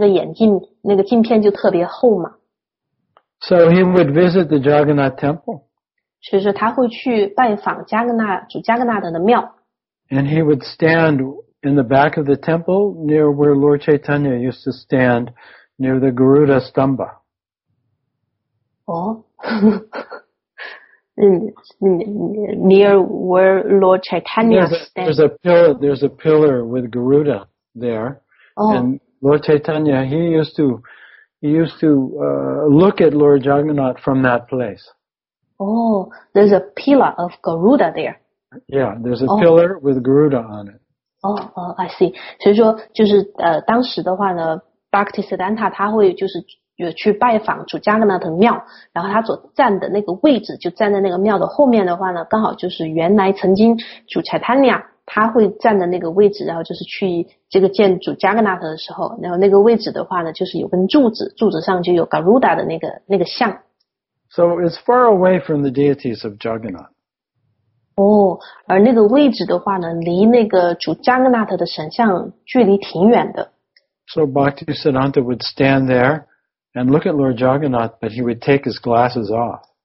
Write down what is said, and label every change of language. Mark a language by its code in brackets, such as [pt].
[zh] 然后他的那个视力不是特别好，所以他就戴的那个眼镜，那个镜片就特别厚嘛。 [en] So he would visit the Jagannath Temple. [zh] 所以说他会去拜访加格纳的庙。 [en] And he would stand in the back of the temple near where Lord Chaitanya used to stand, near the Garuda Stambha. 哦。near where Lord Chaitanya stands. There's a pillar with Garuda there. Oh. And Lord Chaitanya, he used to look at Lord Jagannath from that place. Oh, there's a pillar of Garuda there. Yeah, there's a pillar with Garuda on it. I see. [zh] 所以说就是当时的话呢, Bhaktisiddhanta 他会就是 有去拜访主加格纳的庙，然后他所站的那个位置就站在那个庙的后面的话呢，刚好就是原来曾经主柴坦尼亚他会站的那个位置，然后就是去这个见主加格纳的时候，然后那个位置的话呢，就是有根柱子，柱子上就有 Garuda 的那个像。 [en] So it's far away from the deities of Jagannath. [zh] 而那个位置的话呢，离那个主加格纳的神像距离挺远的。 [en] So Bhaktisiddhanta would stand there and look at Lord Jagannath, but he would take his glasses off.